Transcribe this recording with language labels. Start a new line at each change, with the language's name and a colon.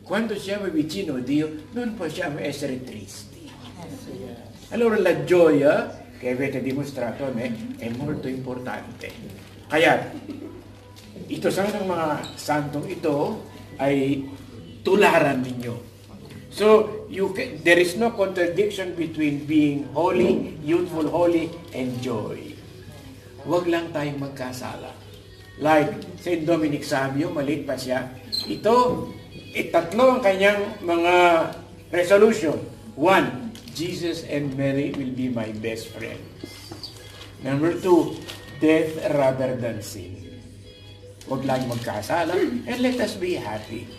Italian: Quando siamo vicino a Dio, non possiamo essere tristi. Allora la gioia che avete dimostrato a me è molto importante.
Filipino: Kaya, ito sa mga santong ito ay tularan ninyo.
English: So, there is no contradiction between being holy, youthful, holy, and joy.
Filipino: Huwag lang tayong magkasala.
English: Like Saint Dominic Savio,
Filipino: maliit pa siya, ito, itatlo ang kanyang mga resolution.
English: One, Jesus and Mary will be my best friend. Number two, death rather than sin.
Filipino: huwag lang magkasala,
English: and let us be happy.